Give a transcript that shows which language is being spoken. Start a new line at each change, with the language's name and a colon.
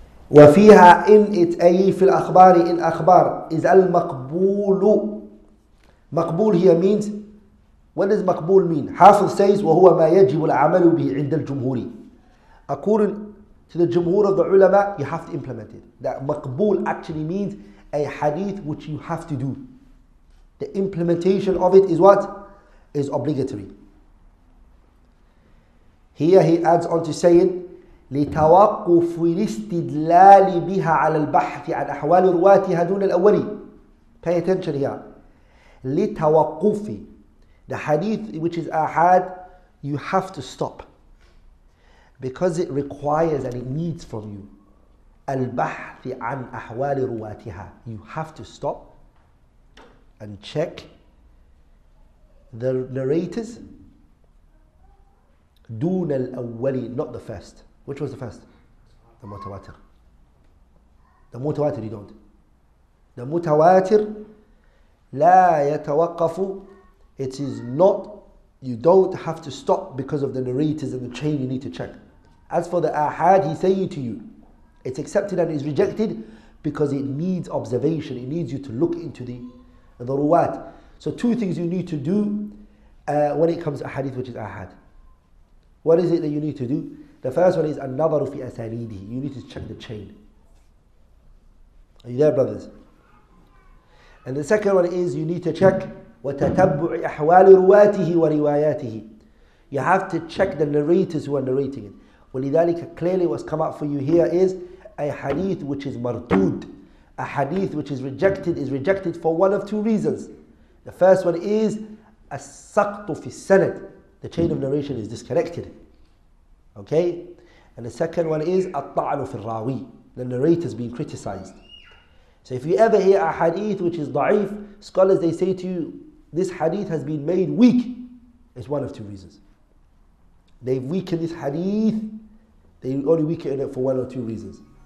Arabic: وفيها إن أي في الأخبار إن أخبار إذا المقبول مقبول
English: here means what does
Arabic: مقبول
English: mean?
Arabic: حافظ
English: says
Arabic: وهو ما يجب العمل به عند الجمهور.
English: According to the جمهور of the علماء, you have to implement it. That مقبول actually means a hadith which you have to do. The implementation of it is what? Is obligatory. Here he adds on to saying
Arabic: لتوقف الاستدلال بها على البحث عن أحوال رواتها دون الأولي.
English: Pay attention here. لتوقف. The hadith which is ahad, you have to stop. Because it requires and it needs from you.
Arabic: البحث عن أحوال رواتها.
English: You have to stop and check the narrators.
Arabic: دون الأولي,
English: not the first. Which was the first? The mutawatir. The mutawatir, you don't. The mutawatir,
Arabic: لا يتوقف.
English: It is not, you don't have to stop because of the narrators and the chain you need to check. As for the ahad, he's saying to you, it's accepted and is rejected because it needs observation. It needs you to look into the ruwat. So two things you need to do when it comes to hadith, which is ahad. What is it that you need to do? The first one is
Arabic: النظر في أسانيده.
English: You need to check the chain. Are you there, brothers? And the second one is you need to check
Arabic: وتتبع أحوال رواته ورواياته.
English: You have to check the narrators who are narrating it. ولذلك, clearly what's come up for you here is a hadith which is مردود. A hadith which is rejected for one of two reasons. The first one is
Arabic: السقط في السند.
English: The chain of narration is disconnected. Okay? And the second one is
Arabic: الطعن في الراوي.
English: The narrator is being criticized. So if you ever hear a hadith which is ضعيف, scholars, they say to you, this hadith has been made weak. It's one of two reasons. They've weakened this hadith. They only weakened it for one or two reasons.